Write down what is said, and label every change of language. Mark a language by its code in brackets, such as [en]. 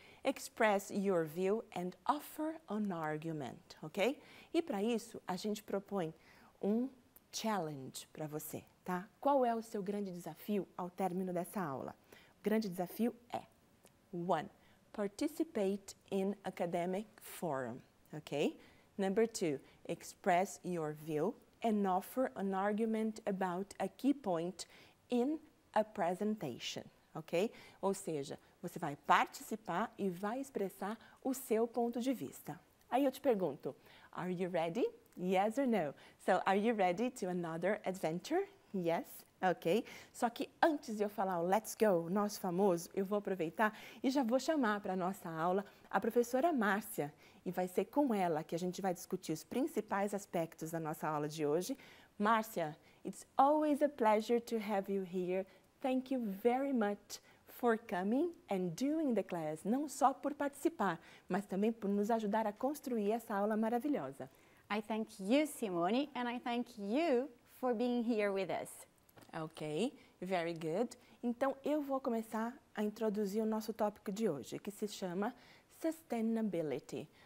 [en] Express your view and offer an argument, ok? [pt] E para isso, a gente propõe um challenge para você, tá? Qual é o seu grande desafio ao término dessa aula? O grande desafio é [en] 1. Participate in academic forum, ok? Number 2. Express your view and offer an argument about a key point in a presentation, ok? [pt] Ou seja, você vai participar e vai expressar o seu ponto de vista. Aí eu te pergunto, [en] are you ready? Yes or no? So, are you ready to another adventure? Yes? Ok. [pt] Só que antes de eu falar o let's go, nosso famoso, eu vou aproveitar e já vou chamar para a nossa aula a professora Márcia. E vai ser com ela que a gente vai discutir os principais aspectos da nossa aula de hoje. [en] Márcia, it's always a pleasure to have you here. Thank you very much for coming and doing the class, [pt] não só por participar, mas também por nos ajudar a construir essa aula maravilhosa. [en] I thank you, Simone, and I thank you for being here with us. Ok, very good. [pt] Então, eu vou começar a introduzir o nosso tópico de hoje, que se chama sustainability.